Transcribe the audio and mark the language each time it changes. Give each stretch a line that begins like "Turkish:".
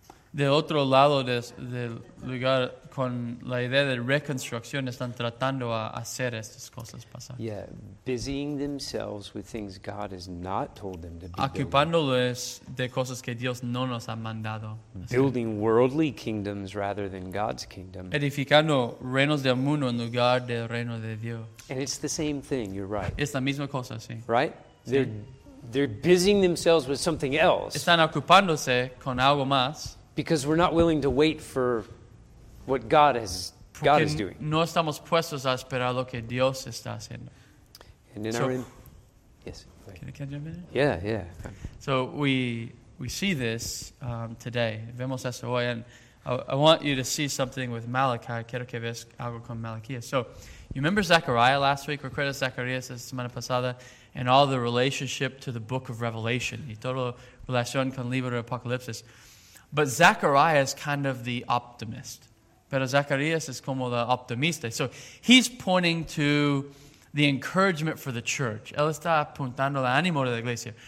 Spanish: De otro lado del lugar, con la idea de reconstrucción, están tratando a hacer estas cosas pasar.
English: Yeah, busying themselves with things God has not told them to be.
Spanish: Ocupándoles de cosas que Dios no nos ha mandado.
English: Building worldly kingdoms rather than God's kingdom.
Spanish: Edificando reinos del mundo en lugar del reino de Dios.
English: And it's the same thing, you're right.
Spanish: Es la misma cosa, sí.
English: Right? They're busying themselves with something else.
Spanish: Están ocupándose con algo más.
English: Because we're not willing to wait for what God is doing.
Spanish: No estamos puestos a esperar lo que Dios está haciendo.
English: And in yes. Can I catch you a minute? Yeah, yeah. So we see this today.
Spanish: Vemos esto hoy.
English: And I want you to see something with Malachi.
Spanish: Quiero que veas algo con Malaquías.
English: So you remember Zechariah last week?
Spanish: Recuerda Zacharias la semana pasada?
English: And all the relationship to the book of Revelation.
Spanish: Y todo relación con el libro de Apocalipsis.
English: But Zechariah is kind of the optimist.
Spanish: Pero Zacharias es como el optimista.
English: So he's pointing to the encouragement for the church.
Spanish: Él está apuntando el ánimo de la iglesia.